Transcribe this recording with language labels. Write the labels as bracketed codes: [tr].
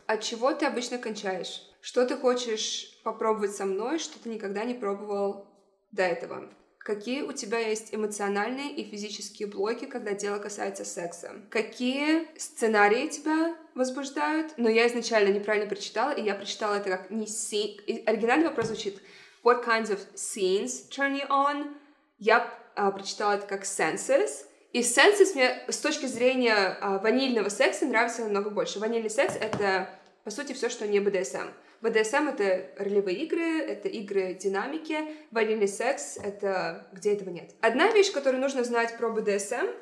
[ru] От чего ты обычно кончаешь? Что ты хочешь попробовать со мной, что ты никогда не пробовал до этого? Какие у тебя есть эмоциональные и физические блоки, когда дело касается секса? Какие сценарии тебя возбуждают? Но я изначально неправильно прочитала, и я прочитала это как не scene. Оригинальный вопрос звучит [en] What kinds of scenes turn you on? [ru] Я прочитала это как senses. И senses мне с точки зрения ванильного секса нравится намного больше. Ванильный секс — это, по сути, все, что не BDSM. BDSM — это ролевые игры, это игры динамики. Ванильный секс — это где этого нет. Одна вещь, которую нужно знать про BDSM.